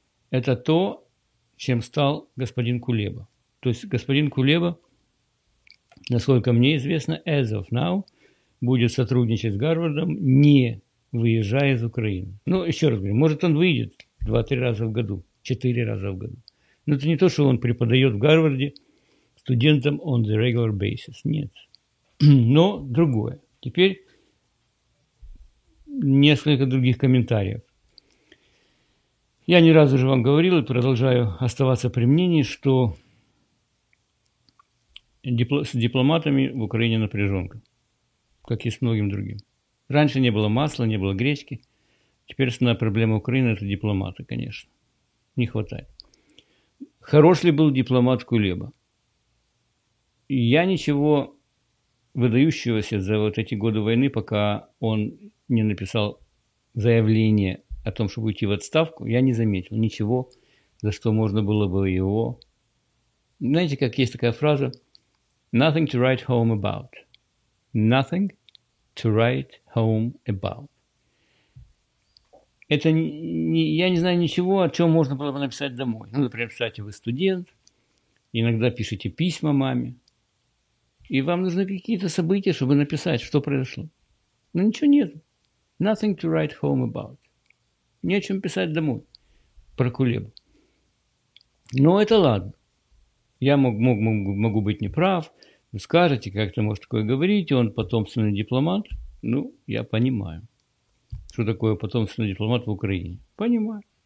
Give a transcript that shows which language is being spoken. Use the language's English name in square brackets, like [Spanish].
[Russian] Это то, чем стал господин Кулеба. То есть господин Кулеба, насколько мне известно, [English] as of now, [Russian] будет сотрудничать с Гарвардом, не выезжая из Украины. Ну, еще раз говорю, может, он выйдет 2-3 раза в году, 4 раза в году. Но это не то, что он преподает в Гарварде студентам [English] on the regular basis. [Russian] Нет. Но другое. Теперь несколько других комментариев. Я не раз уже вам говорил и продолжаю оставаться при мнении, что с дипломатами в Украине напряженка, как и с многим другим. Раньше не было масла, не было гречки. Теперь основная проблема Украины – это дипломаты, конечно. Не хватает. Хорош ли был дипломат Кулеба? Я ничего выдающегося за вот эти годы войны, пока он не написал заявление о том, чтобы уйти в отставку, я не заметил ничего, за что можно было бы его... Знаете, как есть такая фраза? [English] Nothing to write home about. Nothing to write home about. [Russian] Это я не знаю ничего, о чем можно было бы написать домой. Ну, например, кстати, вы студент, иногда пишете письма маме, и вам нужны какие-то события, чтобы написать, что произошло. Но ничего нет. [English] Nothing to write home about. [Russian] Не о чем писать домой про Кулебу. Но это ладно. Я могу быть неправ. Вы скажете, как ты можешь такое говорить, он потомственный дипломат. Ну, я понимаю, что такое потомственный дипломат в Украине. Понимаю.